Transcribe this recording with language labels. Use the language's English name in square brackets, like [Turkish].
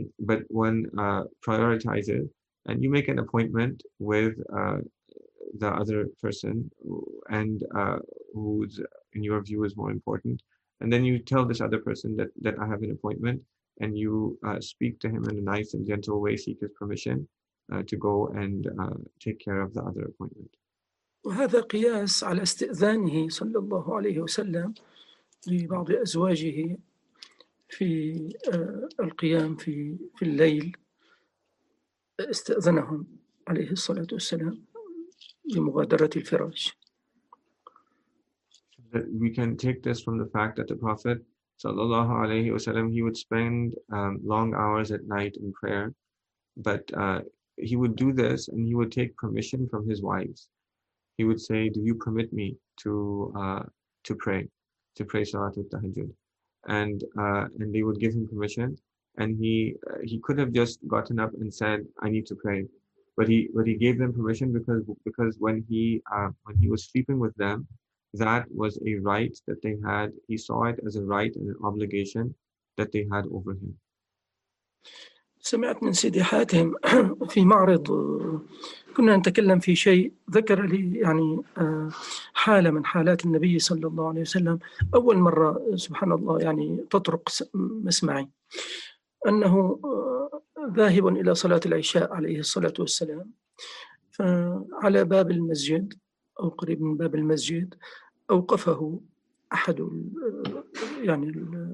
[English] But one prioritizes, and you make an appointment with the other person and who's in your view is more important, and then you tell this other person that I have an appointment, and you speak to him in a nice and gentle way, seek his permission to go and take care of the other appointment. [Arabic] وهذا قياس على استئذانه صلى الله عليه وسلم لبعض أزواجه في القيام في الليل. استأذنهم عليه الصلاة والسلام لمغادرة الفراش. [English] We can take this from the fact that the Prophet صلى الله عليه وسلم, he would spend long hours at night in prayer, but he would do this and he would take permission from his wives. He would say, do you permit me to pray Salat al-Tahajjud? And they would give him permission. And he could have just gotten up and said, I need to pray. But he gave them permission because when he was sleeping with them, that was a right that they had. He saw it as a right and an obligation that they had over him. [Arabic] سمعت من سيدي حاتم في معرض كنا نتكلم في شيء, ذكر لي يعني حالة من حالات النبي صلى الله عليه وسلم أول مرة سبحان الله يعني تطرق مسمعي, أنه ذاهب إلى صلاة العشاء عليه الصلاة والسلام فعلى باب المسجد أو قريب من باب المسجد أوقفه أحد يعني